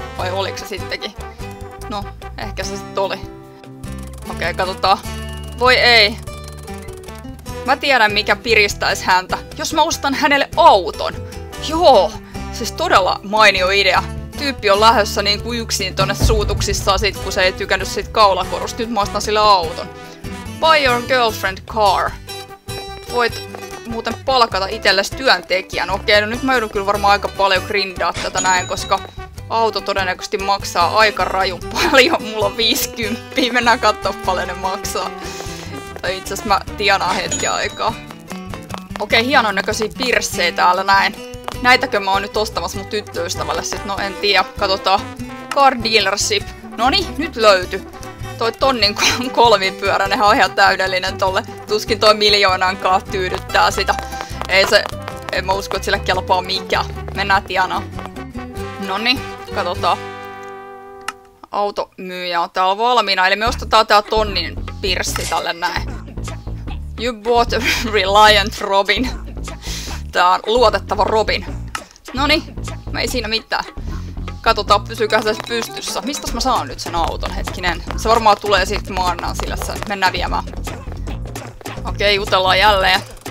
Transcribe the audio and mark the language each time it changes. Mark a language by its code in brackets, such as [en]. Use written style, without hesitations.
[fi] Vai oliko se sittenkin? No, ehkä se sitten oli. Okei, katsotaan. Voi ei. Mä tiedän mikä piristäis häntä. Jos mä ostan hänelle auton. Joo, siis todella mainio idea. Tyyppi on lähdössä niin kuin yksin tonne suutuksissaan sit, kun se ei tykännyt sit kaulakorusta. Nyt mä ostan sille auton. [en] Buy your girlfriend car. [fi] Voit muuten palkata itsellesi työntekijän. Okei, no nyt mä joudun kyllä varmaan aika paljon grindaa tätä näin, koska auto todennäköisesti maksaa aika rajun paljon. Mulla on 50, mennään katsoa paljon ne maksaa. Tai itse asiassa mä tienaan hetki aikaa. Okei, hienon näköisiä pirssejä täällä näin. Näitäkö mä oon nyt ostamassa mun tyttöystävälle sit? No en tiedä. Katsotaan. Car dealership. Noni, nyt löyty. Toi tonnin kolmipyörä, nehän on ihan täydellinen tolle. Tuskin toi miljoonankaan tyydyttää sitä. Ei se... En mä usko, että sillä kelpaa mikään. Mennään tienaan. Noni, katsotaan. Automyyjä on täällä valmiina. Eli me ostetaan tää tonnin pirssi tälle näin. [en] You bought a Reliant Robin. [fi] Tää on luotettava Robin. Noni, ei siinä mitään. Katsotaan, pysyykö se pystyssä. Mistäs mä saan nyt sen auton? Hetkinen. Se varmaan tulee sitten, kun mä annan sillä sen. Mennään viemään. Okei, jutellaan jälleen.